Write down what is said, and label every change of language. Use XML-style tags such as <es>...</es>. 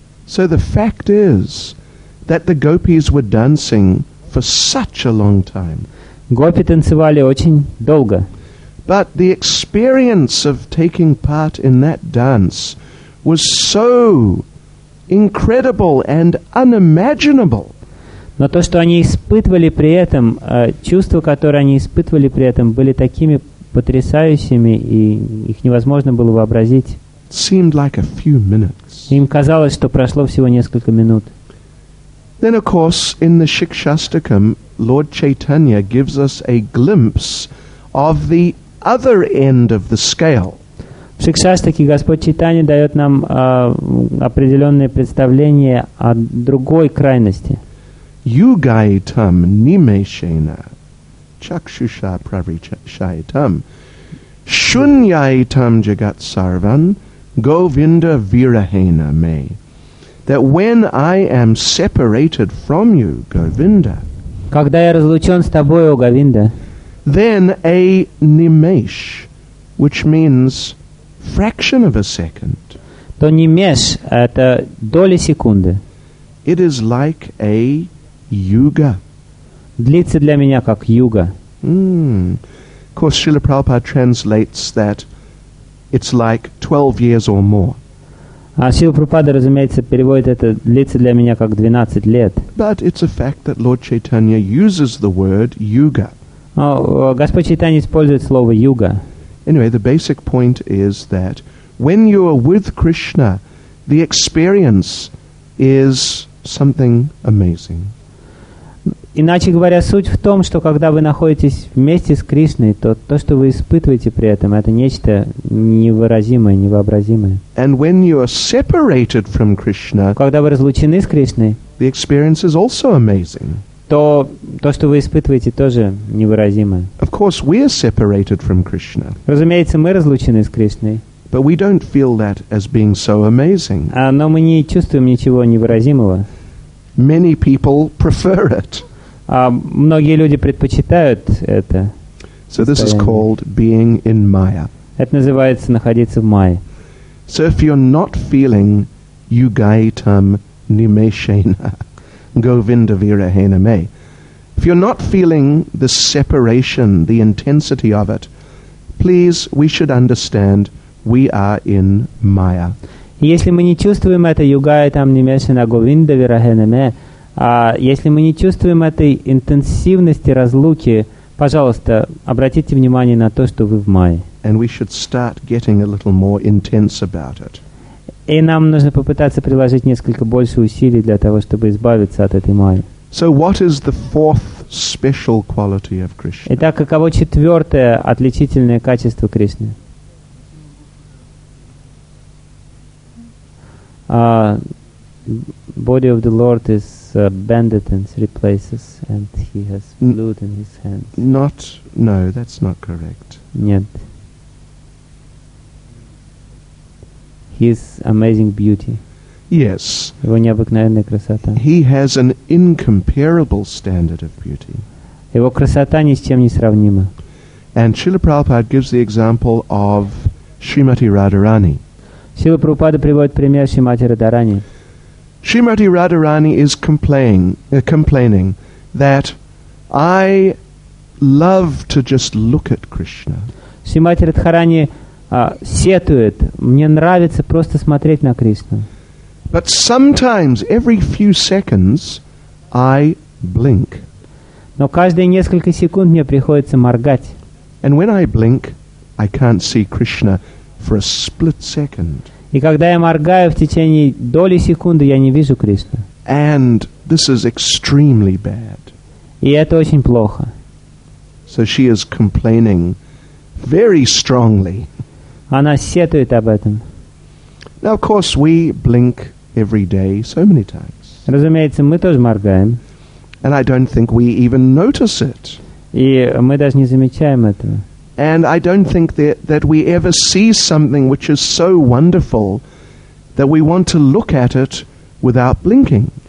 <en>So the fact is that the gopis were dancing for such a long time.</en> <ru>Гопи танцевали очень долго.</ru> <en>But the experience of taking part in that dance was so incredible and unimaginable.</en> <ru>Но то, что они испытывали при этом, чувства, которые они испытывали при этом, были такими потрясающими, и их невозможно было вообразить.</ru> <en>It seemed like a few minutes.</en> <ru>Им казалось, что прошло всего несколько минут.</ru> <en>Then, of course, in the Shikshastakam, Lord Chaitanya gives us a glimpse of the other end of the scale.</en> <ru>В Шикшастаке Господь Чайтанья дает нам определенное представление о другой крайности.</ru> <sa>Югайтам нимешена чакшуша правричайтам шуньяйтам джагат сарван говинда вирахена ме.</sa> <en>That when I am separated from you, Govinda,</en> <ru>когда я разлучен с тобой, о Говинда,</ru> <en>then a nimesh, which means fraction of a second.</en> <ru>То нимеш — это доля секунды.</ru> <en>It is like a yuga.</en> <ru>Длится для меня как юга.</ru> <en>Of course, Srila Prabhupada translates that it's like 12 years or more.</en> <ru>А Srila Prabhupada, разумеется, переводит это «длится для меня как 12 лет».</ru> <en>But it's a fact that Lord Chaitanya uses the word yuga.</en> <ru>Господь Чайтанья использует слово юга.</ru> <en>Anyway, the basic point is that when you are with Krishna, the experience is something amazing.</en> <ru>Иначе говоря, суть в том, что когда вы находитесь вместе с Кришной, то, что вы испытываете при этом, это нечто невыразимое, невообразимое.</ru> <en>And when you are separated from Krishna,</en> <ru>когда вы разлучены с Кришной,</ru> <en>the experience is also amazing.</en> <ru>То, что вы испытываете, тоже невыразимо.</ru> <en>Of course, we are separated from Krishna.</en> <ru>Разумеется, мы разлучены с Кришной.</ru> <en>But we don't feel that as being so amazing.</en> <ru>Но мы не чувствуем ничего невыразимого.</ru> <en>Many people prefer it.</en> <ru>Многие люди предпочитают это.</ru> <en>So this is called being in Maya.</en> <ru>Это называется находиться в Майе.</ru> <en>So if you're not feeling</en> <sa>yugaitam nimeshena, Govinda Vira Hena Me.</sa> <en>If you're not feeling the separation, the intensity of it, please, we should understand we are in Maya.</en> <ru>Если мы не чувствуем это</ru> <sa>югая там немешана Говинда Вира Хена Ме,</sa> <ru>если мы не чувствуем этой интенсивности разлуки, пожалуйста, обратите внимание на то, что вы в Майе.</ru> <en>And we should start getting a little more intense about it.</en> <ru>И нам нужно попытаться приложить несколько больше усилий для того, чтобы избавиться от этой майи.</ru> <en>So what is the fourth special quality of Krishna?</en> <ru>Итак, каково четвертое отличительное качество Кришны?</ru> <en>Body of the Lord is bended in three places, and he has flute in his hands. No, that's not correct.</en> <ru>Нет.</ru> <en>His amazing beauty. Yes.</en> <ru>Его необыкновенная красота.</ru> <en>He has an incomparable standard of beauty.</en> <ru>Его красота ни с чем не сравнима.</ru> <en>And Srila Prabhupada gives the example of Srimati Radharani.</en> <ru>Srila Prabhupada приводит пример Шримати Радхарани.</ru> <en>Srimati Radharani is complaining that I love to just look at Krishna.</en> <ru>Шримати Радхарани сетует. Мне нравится просто смотреть на Кришну.</ru> <en>But sometimes every few seconds I blink.</en> <ru>Но каждые несколько секунд мне приходится моргать.</ru> <en>And when I blink, I can't see Krishna for a split second.</en> <ru>И когда я моргаю в течение доли секунды, я не вижу Кришну.</ru> <en>And this is extremely bad.</en> <ru>И это очень плохо.</ru> <en>So she is complaining very strongly.</en> <ru>Она сетует об этом.</ru> <en>Now, of course, we blink every day so many times.</en> <ru>Разумеется, мы тоже моргаем.</ru> <en>And I don't think we even notice it.</en> <ru>И мы даже не замечаем этого.</ru> <en>And I don't think that we ever see something which is so wonderful that we want to look at it without blinking.</en>